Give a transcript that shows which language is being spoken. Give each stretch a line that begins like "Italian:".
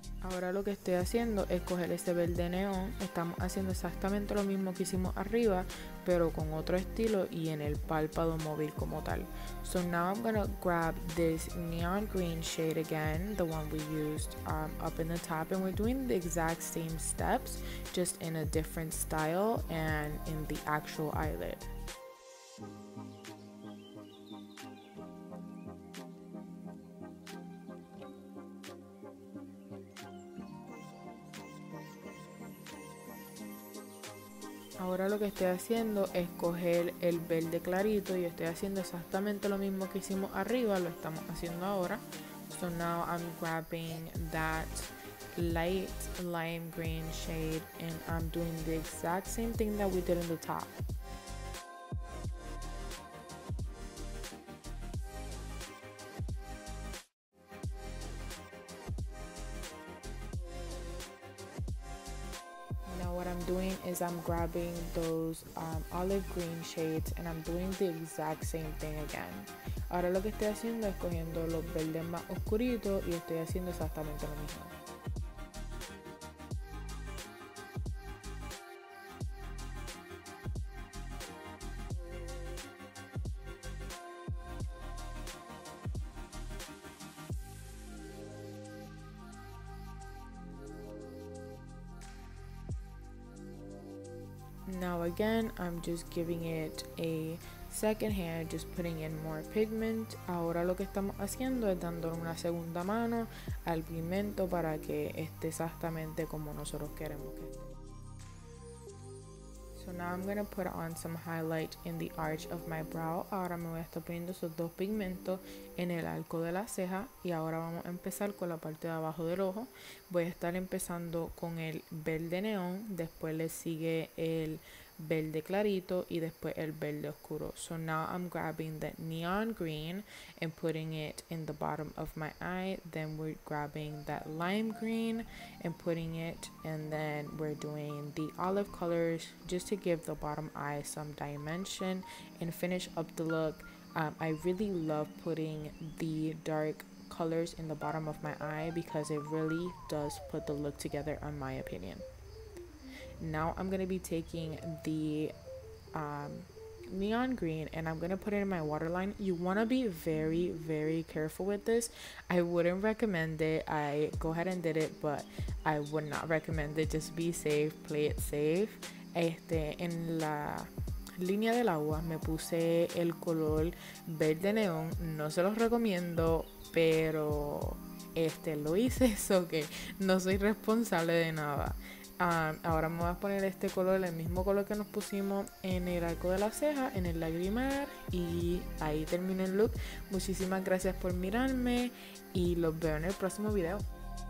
Spanish: Ahora lo que estoy haciendo es coger ese verde neón. Estamos haciendo exactamente lo mismo que hicimos arriba, pero con otro estilo y en el párpado móvil como tal.
English: So now I'm gonna grab this neon green shade again, the one we used up in the top, and we're doing the exact same steps, just in a different style and in the actual eyelid.
Spanish: Ahora lo que estoy haciendo es coger el verde clarito y estoy haciendo exactamente lo mismo que hicimos arriba, lo estamos haciendo ahora.
English: So now I'm grabbing that light lime green shade and I'm doing the exact same thing that we did on the top. Doing is I'm grabbing those olive green shades and I'm doing the exact same thing again.
Spanish: Ahora lo que estoy haciendo es cogiendo los verdes más oscuritos y estoy haciendo exactamente lo mismo.
English: Now again, I'm just giving it a second hand, just putting in more pigment.
Spanish: Ahora lo que estamos haciendo es dándole una segunda mano al pigmento para que esté exactamente como nosotros queremos que esté.
English: So now I'm gonna put on some highlight in the arch of my brow.
Spanish: Ahora me voy a estar poniendo esos dos pigmentos en el arco de la ceja. Y ahora vamos a empezar con la parte de abajo del ojo. Voy a estar empezando con el verde neón. Después le sigue el verde clarito y después el verde oscuro.
English: So now I'm grabbing the neon green and putting it in the bottom of my eye. Then we're grabbing that lime green and putting it, and then we're doing the olive colors just to give the bottom eye some dimension and finish up the look. I really love putting the dark colors in the bottom of my eye because it really does put the look together, in my opinion. Now I'm going to be taking the neon green and I'm going to put it in my waterline. You want to be very, very careful with this. I wouldn't recommend it. I go ahead and did it, but I would not recommend it. Just be safe. Play it safe.
Spanish: En la línea del agua me puse el color verde neón. No se los recomiendo, pero lo hice. So que no soy responsable de nada. Ahora me voy a poner este color, el mismo color que nos pusimos en el arco de la ceja, en el lagrimal, y ahí termina el look. Muchísimas gracias por mirarme y los veo en el próximo video.